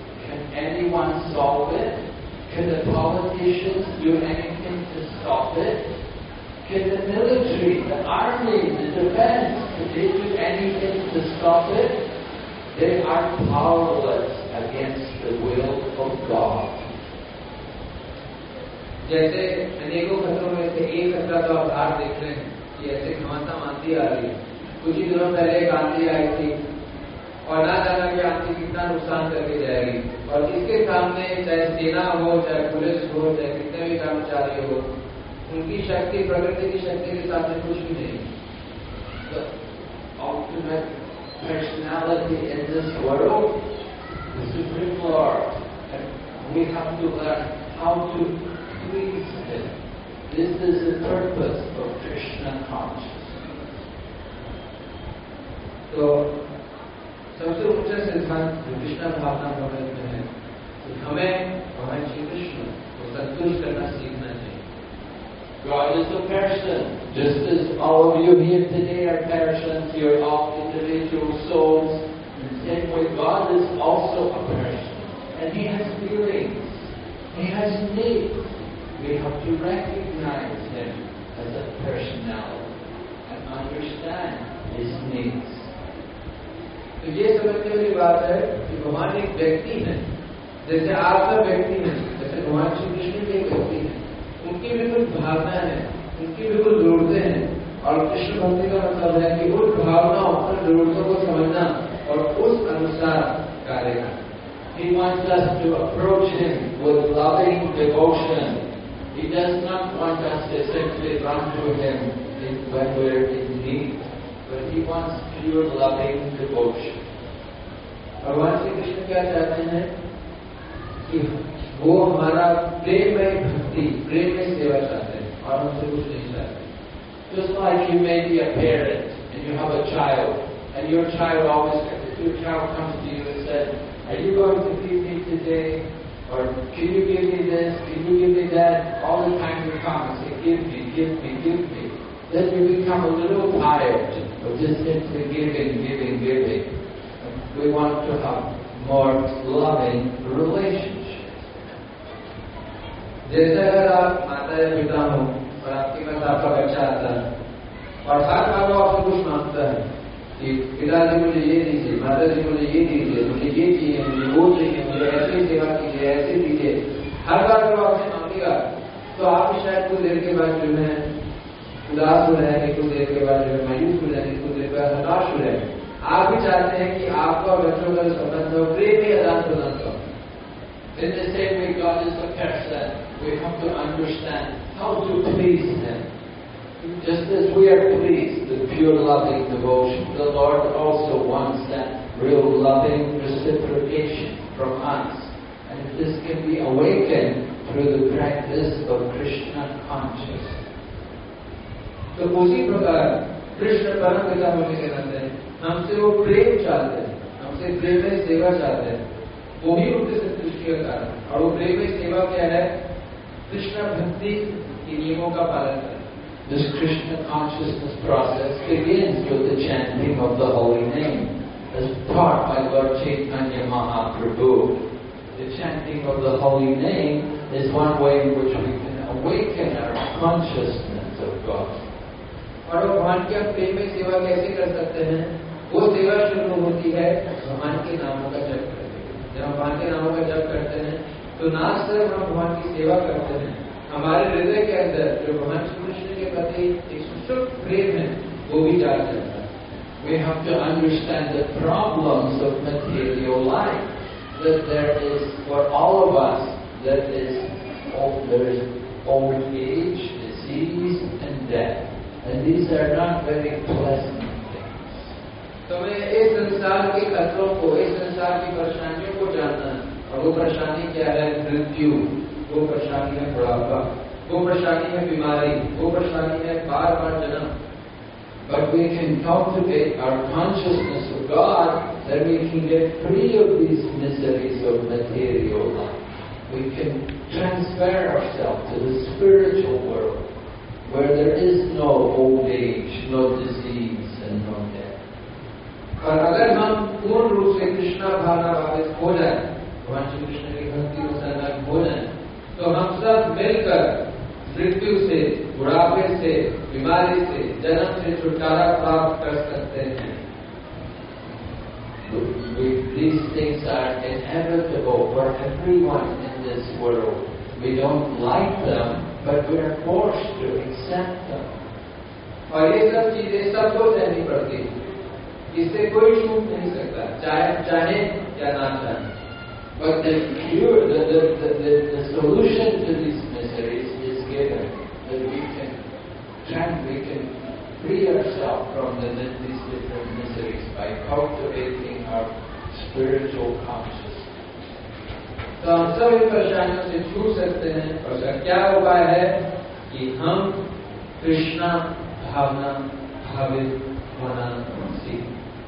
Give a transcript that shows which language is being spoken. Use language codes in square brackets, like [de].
[en] Can anyone solve it? Can the politicians do anything to stop it? Can the military, the army, the defense, can they do anything to stop it? They are powerless against the will of God. [hi] जैसे अनेकों खतरों में से एक खतरा तो आप हार देख रहे हैं कि ऐसे घमासा आंधी आ रही है. कुछ ही दिनों पहले एक आंधी आई थी और ना जाना कि आंधी कितना नुकसान करके जाएगी. और इसके सामने चाहे सेना हो, चाहे पुलिस हो, चाहे कितने भी कर्मचारी हो, उनकी शक्ति प्रकृति की शक्ति के साथ में कुछ भी नहीं. [en] Ultimate personality in this world the supreme Lord and we have to learn how to please him. This is the purpose of Krishna consciousness. [hi] तो सबसे ऊंचा सिद्धांत कृष्णा भावना मॉडल में है कि हमें भगवान श्री कृष्ण को संतुष्ट करना सीखना चाहिए. [en] God is a person. Just as all of you here today are persons, you're all individual souls. In the same way, God is also a person. And He has feelings. He has needs. We have to recognize Him as a personality and understand His needs. [hi] So, ये समझने वाली बात है कि भगवान एक व्यक्ति है, जैसे आपका व्यक्ति है, जैसे भगवान श्री कृष्ण के व्यक्ति है. उनकी भी कुछ भावनाएं हैं, उनकी भी कुछ जरूरतें हैं. और कृष्ण भक्ति का मतलब है कि उन भावनाओं और जरूरतों को समझना और उस अनुसार कार्य करना. [en] He wants us to approach him with loving devotion. He does not want us to simply run to him when we are in need, but he wants pure loving devotion. [hi] भगवान श्री कृष्ण क्या चाहते हैं कि वो हमारा प्रेमय भक्ति प्रेमय सेवा चाहते हैं और हमसे कुछ नहीं चाहते. [en] Just like you may be a parent and you have a child and your child always, if your child comes to you and said, are you going to feed me today? or can you give me this, can you give me that, all the time you come and say, give me, give me, give me, then you become a little tired of just simply giving, giving, giving. We want to have more loving relationships. [hi] और हर बार वो आपसे कुछ मांगता है कि पिता जी मुझे ये दीजिए, माता जी मुझे ये दीजिए, मुझे ये चाहिए, मुझे वो चाहिए, मुझे ऐसी सेवा कीजिए, ऐसे दीजिए, हर बार जब आपसे मांगेगा तो आप शायद कुछ देर के बाद जो है उदास हो रहे हैं, कुछ देर के बाद जो है मायूस हो रहे हैं, कुछ देर के बाद हताश हो रहे हैं. आप भी चाहते हैं कि आपका बच्चों का संबंध हो प्रेम ही आदान प्रदान का. [en] In the same way, God is a person. We have to understand how to please Him. Just as we are pleased with pure loving devotion, the Lord also wants that real loving reciprocation from us. And this can be awakened through the practice of Krishna consciousness. [hi] So, उसी प्रकार कृष्ण परम पिता होने के नाते हमसे वो प्रेम चाहते हैं, हमसे प्रेम में सेवा चाहते हैं. वो ही उनके संतुष्टि का कारण है. और वो प्रेम में सेवा क्या है? कृष्ण भक्ति के नियमों का पालन करना. [en] This Krishna consciousness process begins with the chanting of the holy name as taught by Lord Chaitanya Mahaprabhu. The chanting of the holy name is one way in which we can awaken our consciousness of God. [hi] और भगवान की हम प्रेम में सेवा कैसे कर सकते हैं? वो सेवा शुरू होती है भगवान के नामों का जप करते हैं. जब हम भगवान के नामों का जप करते हैं तो ना सिर्फ हम भगवान की सेवा करते हैं, हमारे हृदय के अंदर जो भगवान श्री कृष्ण के प्रति एक सुशुभ प्रेम है वो भी जाग जाता है. [en] We have to understand the problems of material life, that there is for all of us, that is old, there is old age, disease and death. And these are not very pleasant things. [hi] तो हमें इस संसार के खतरों को, इस संसार की परेशानियों को जानना है. और वो परेशानी क्या है? मृत्यु, वो परेशानी है बुढ़ापा, वो परेशानी है बीमारी, वो परेशानी है बार बार जन्म. [en] But we can cultivate our consciousness of God, then we can get free of these miseries of material life. We can transfer ourselves to the spiritual world, where there is no old age, no disease, and no death. [hi] और अगर हम पूर्ण रूप से कृष्णा भावना वाले हो जाए, भगवान श्री कृष्ण की भक्ति अनुसार हो जाए, तो हम सब मिलकर मृत्यु से, बुढ़ापे से, बीमारी से, जन्म से छुटकारा प्राप्त कर सकते हैं. [en] These things are inevitable for everyone in this world. We don't like them, but we are forced to accept them. [hi] और ये सब चीजें सबको सहनी पड़ती है, इससे कोई छूट नहीं सकता, चाहे चाहे या ना चाहे. [en] But the cure, the solution to these miseries is given, that we can free ourselves from these different miseries by cultivating our spiritual consciousness. [hi] तो हम सब इन परेशानियों से छूट सकते हैं. और सर क्या उपाय है? कि हम कृष्णा भावना भावित होना सीखें.